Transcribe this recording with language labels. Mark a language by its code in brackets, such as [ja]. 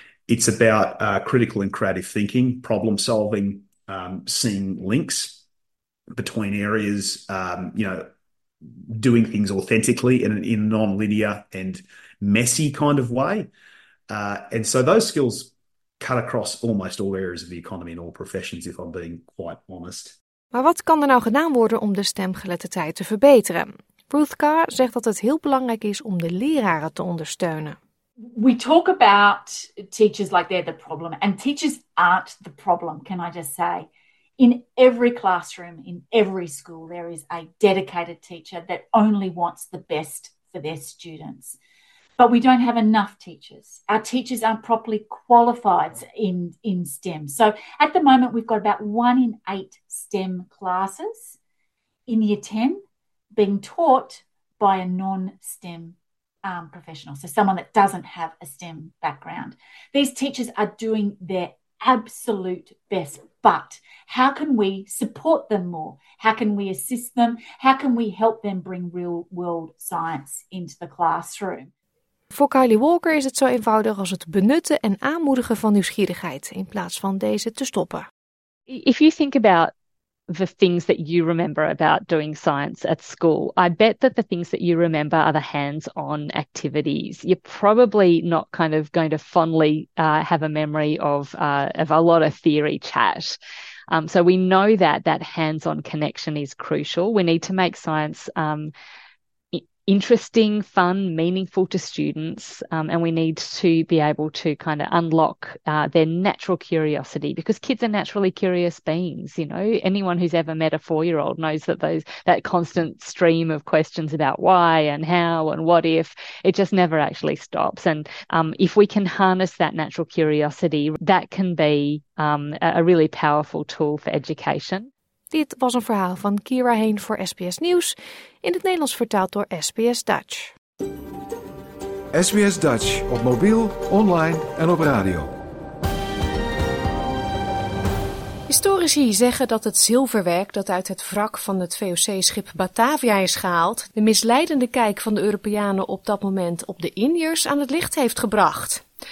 [en] It's about critical and creative thinking, problem solving, seeing links between areas, doing things authentically in a non-linear and messy kind of way. And so those skills cut across almost all areas of the economy and all professions, if I'm being quite honest. [nl] Maar wat kan er nou gedaan worden om de stemgeletterdheid te verbeteren? Ruth Carr zegt dat het heel belangrijk is om de leraren te ondersteunen. [en] We talk about teachers like they're the problem, and teachers aren't the problem, can I just say. In every classroom, in every school, there is a dedicated teacher that only wants the best for their students. But we don't have enough teachers. Our teachers aren't properly qualified in STEM. So at the moment, we've got about 1 in 8 STEM classes in year 10 being taught by a non-STEM professional, so someone that doesn't have a STEM background. These teachers are doing their absolute best, but how can we support them more? How can we assist them? How can we help them bring real-world science into the classroom? [nl] Voor Kylie Walker is het zo eenvoudig als het benutten en aanmoedigen van nieuwsgierigheid in plaats van deze te stoppen. [en] If you think about the things that you remember about doing science at school, I bet that the things that you remember are the hands-on activities. You're probably not kind of going to fondly have a memory of a lot of theory chat. So we know that hands-on connection is crucial. We need to make science interesting, fun, meaningful to students, and we need to be able to kind of unlock their natural curiosity, because kids are naturally curious beings. You know, anyone who's ever met a 4-year-old knows that that constant stream of questions about why and how and what if, it just never actually stops. And if we can harness that natural curiosity, that can be a really powerful tool for education. [nl] Dit was een verhaal van Kira Heen voor SBS Nieuws, in het Nederlands vertaald door SBS Dutch. SBS Dutch op mobiel, online en op radio. Historici zeggen dat het zilverwerk dat uit het wrak van het VOC-schip Batavia is gehaald, de misleidende kijk van de Europeanen op dat moment op de Indiërs aan het licht heeft gebracht.